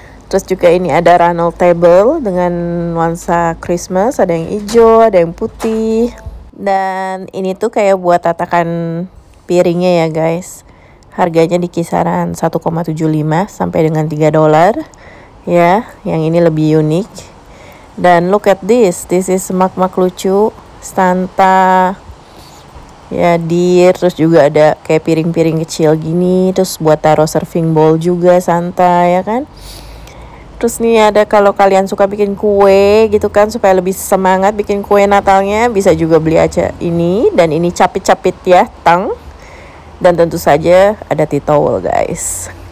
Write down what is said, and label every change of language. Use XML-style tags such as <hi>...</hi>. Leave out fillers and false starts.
<id>Terus juga ini ada runnel table dengan nuansa Christmas, ada yang hijau, ada yang putih. Dan ini tuh kayak buat tatakan piringnya ya guys. Harganya di kisaran 1,75 sampai dengan 3 dolar ya. Yang ini lebih unik.</id> <en>Dan look at this, this is</en> <id>mak-mak lucu,</id> <en>Santa ya, deer.</en> <id>Terus juga ada kayak piring-piring kecil gini, terus buat taruh serving bowl juga Santa ya kan. Terus nih ada, kalau kalian suka bikin kue gitu kan, supaya lebih semangat bikin kue Natalnya, bisa juga beli aja ini. Dan ini capit-capit ya, tang. Dan tentu saja ada tea towel guys.</id>